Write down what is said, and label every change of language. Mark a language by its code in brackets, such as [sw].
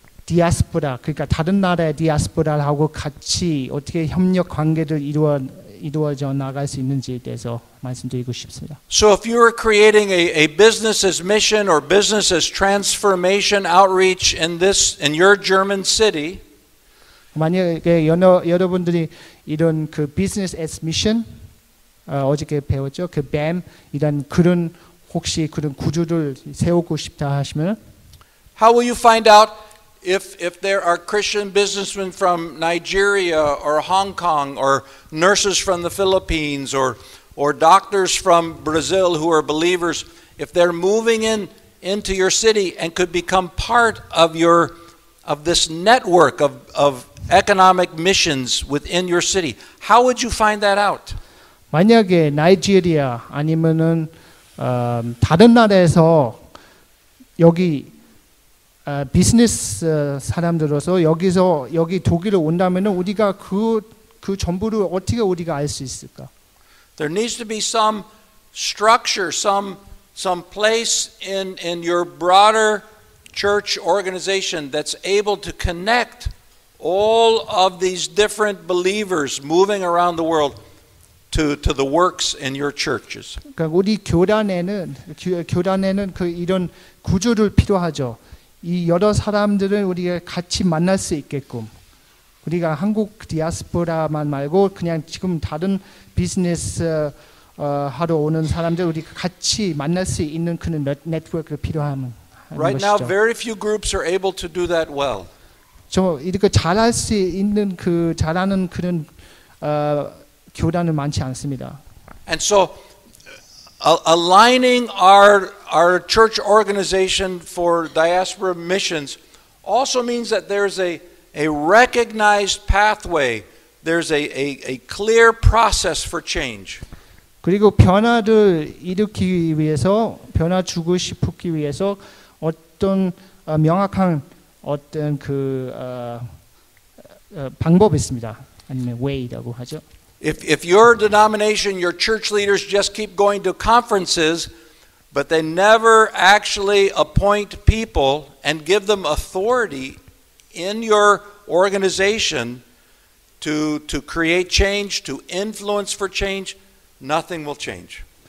[ko] 디아스포라 그러니까 다른 나라의 디아스포라를 하고 같이 어떻게 협력 관계를 이루어져 나갈 수 있는지에 대해서 말씀드리고 싶습니다. [en] So if you are creating a business as mission or business as transformation outreach in this in your German city, [ko] 만약에 여러분들이 이런 그 [en] business as mission [ko] 어저께 배웠죠 그 BAM 이런 그런 혹시 그런 구조를 세우고 싶다 하시면 [en] How will you find out if there are Christian businessmen from Nigeria or Hong Kong or nurses from the Philippines or doctors from Brazil who are believers if they're moving in into your city and could become part of your of this network of economic missions within your city how would you find that out [ko] 만약에 나이지리아 아니면은 다른 나라에서 여기 비즈니스 사람들로서 여기서 여기 독일을 온다면은 우리가 그 전부를 어떻게 우리가 알 수 있을까? [en] There needs to be some structure, some place in your broader church organization that's able to connect all of these different believers moving around the world. To the works in your churches. [ko] 그러니까 우리 교단에는 그 이런 구조를 필요하죠. 이 여러 사람들을 우리가 같이 만날 수 있게끔 우리가 한국 디아스포라만 말고 그냥 지금 다른 비즈니스 하러 오는 사람들 우리가 같이 만날 수 있는 그런 네트워크를 필요하는 것이죠. [en] Right now, very few groups are able to do that well. [ko] 저 이렇게 잘할 수 있는 그 잘하는 그런 교단은 많지 않습니다. [en] And so aligning our church organization for diaspora missions also means that there's a recognized pathway. There's a clear process for change. [ko] 그리고 변화를 일으키기 위해서 변화 주고 싶기 위해서 어떤 명확한 어떤 그 방법이 있습니다. 아니면 way라고 하죠. [en] If your denomination, your church leaders just keep going to conferences, but they never actually appoint people and give them authority in your organization to create change, to influence for change, nothing will change.